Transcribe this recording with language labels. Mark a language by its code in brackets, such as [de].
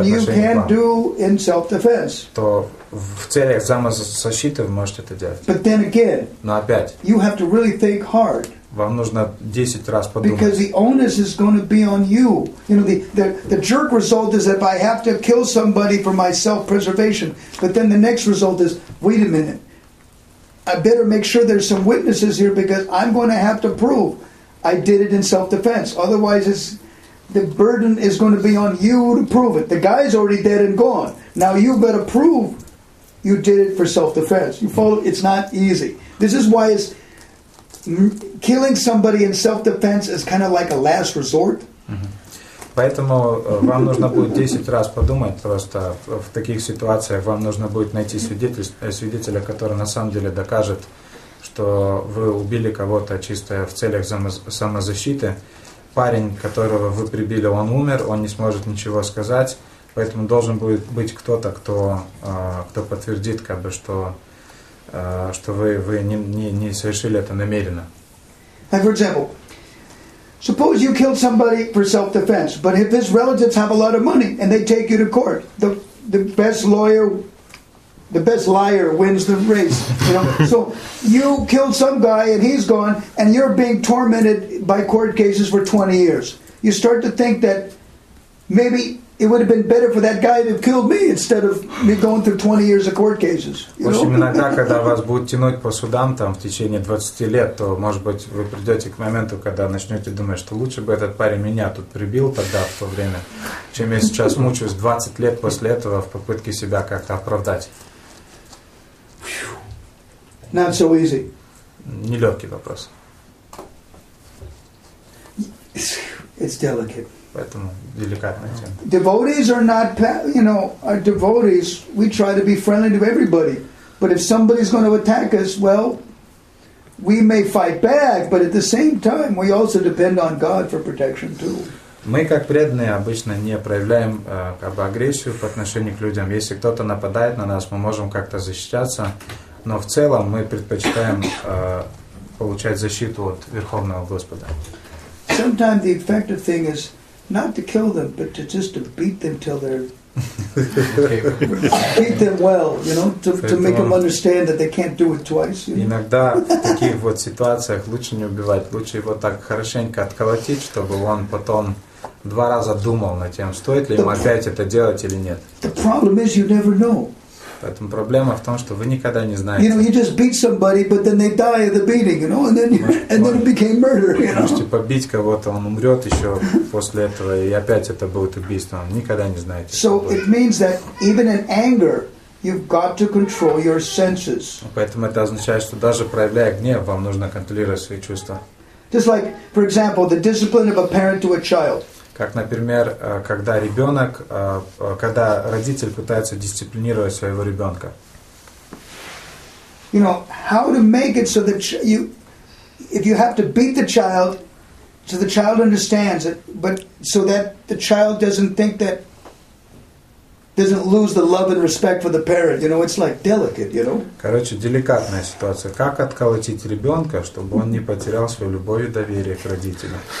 [ru] отношению к вам, то в целях самозащиты вы можете это делать. [en] But then again, [ru] но опять, [en] you have to really think hard, [ru] вам нужно 10 раз подумать. [en] Because the onus is going to be on you. You know, the jerk result is that if I have to kill somebody for my self-preservation, but then the next result is, wait a minute, I better make sure there's some witnesses here because I'm going to have to prove I did it in self-defense. Otherwise, the burden is going to be on you to prove it. The guy's already dead and gone. Now you better prove you did it for self-defense. You follow? It's not easy. This is why it's killing somebody in self-defense is kind of like a last resort. [ru] Поэтому вам нужно будет 10 раз подумать, просто в таких ситуациях вам нужно будет найти свидетеля, который на самом деле докажет, что вы убили кого-то чисто в целях самозащиты. Парень, которого вы прибили, он умер, он не сможет ничего сказать, поэтому должен будет быть кто-то, кто подтвердит, как бы, что вы не совершили это намеренно. [en] Suppose you killed somebody for self-defense, but if his relatives have a lot of money and they take you to court, the best lawyer, the best liar wins the race. You know? So you killed some guy and he's gone and you're being tormented by court cases for 20 years. You start to think that maybe it would have been better for that guy to have killed me instead of me going through 20 years of court cases. [ru] В общем, иногда, когда вас будут тянуть по судам там в течение 20 лет, то, может быть, вы придете к моменту, когда начнете думать, что лучше бы этот парень меня тут прибил тогда в то время, чем я сейчас мучаюсь 20 лет после этого в попытке себя как-то оправдать. [en] Not so easy. [ru] Нелегкий вопрос. [en] It's delicate. [ru] Поэтому деликатная тема. [en] Devotees are not, you know, our devotees, we try to be friendly to everybody. But if somebody's going to attack us, well, we may fight back, but at the same time, we also depend on God for protection too. [ru] Мы, как преданные, обычно не проявляем как бы агрессию по отношению к людям. Если кто-то нападает на нас, мы можем как-то защищаться. Но в целом мы предпочитаем получать защиту от Верховного Господа. [en] Sometimes the effective thing is not to kill them, but to just to beat them till they're beat them well, you know, to make them understand that they can't do it twice. You know? [ru] Иногда в таких вот ситуациях лучше не убивать, лучше его так хорошенько отколотить, чтобы он потом два раза думал над тем, стоит ли ему опять это делать или нет. [en] The problem is you never know. [ru] Поэтому проблема в том, что вы никогда не знаете. [en] You know, you just beat somebody, but then they die of the beating, you know, and then it became murder. You know? [ru] Можете побить кого-то, он умрет еще после этого, и опять это будет убийством. Никогда не знаете. [en] So it means that even in anger, you've got to control your senses. [ru] Поэтому это означает, что даже проявляя гнев, вам нужно контролировать свои чувства. [en] Just like, for example, the discipline of a parent to a child. [ru] Как, например, когда родитель пытается дисциплинировать своего ребенка. [en] You know, how to make it so that if you have to beat the child, so the child understands it, but so that the child doesn't lose the love and respect for the parent. You know, it's like delicate, you know? [ru] Короче, деликатная ситуация. Как отколотить ребенка, чтобы он не потерял свою любовь и доверие к родителям?